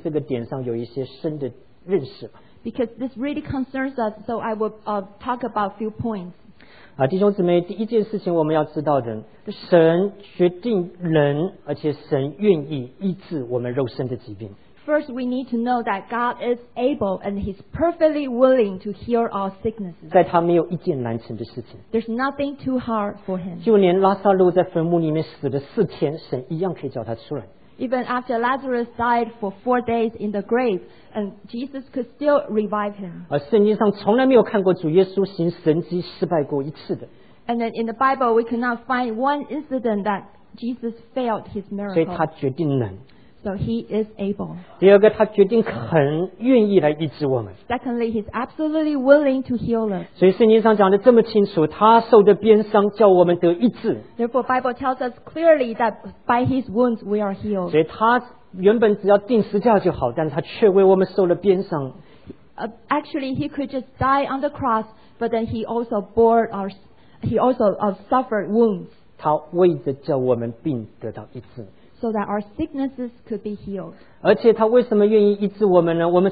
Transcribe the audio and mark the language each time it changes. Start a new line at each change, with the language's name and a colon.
Chinese: 但是因为跟大家这么有关，所以我稍微提几个点，让我们也能够对这个点上有一些深的认识。Because
English: this really concerns us, so I will talk about a few points.
Chinese: 弟兄姊妹，第一件事情我们要知道的，神决定人，而且神愿意医治我们肉身的疾病。
English: First, we need to know that God is able and He's perfectly willing to heal our sicknesses. There's nothing too hard for Him. even after Lazarus died for 4 days in the grave, and Jesus could still revive him.
Chinese: 圣经上从来没有看过主耶稣行神迹失败过一次的。
English: And then in the Bible, we cannot find one incident that Jesus failed his miracle.
Chinese: 所以他决定能。
English: So he is able.
Chinese: 第二个, 他决定肯, 愿意来医治我们。
English: Secondly, he's absolutely willing to heal us.
Chinese: 所以圣经上讲得这么清楚, 他受的鞭伤, 叫我们得医治。
English: Therefore, Bible tells us clearly that by his wounds we are healed.
Chinese: 所以他原本只要钉十字架就好, 但是他却为我们受了鞭伤。
English: Actually, he could just die on the cross, but then he also suffered wounds.
Chinese: 他为着叫我们病得到医治。
English: So that our sicknesses could be healed.
Chinese: 而且他为什么愿意医治我们呢?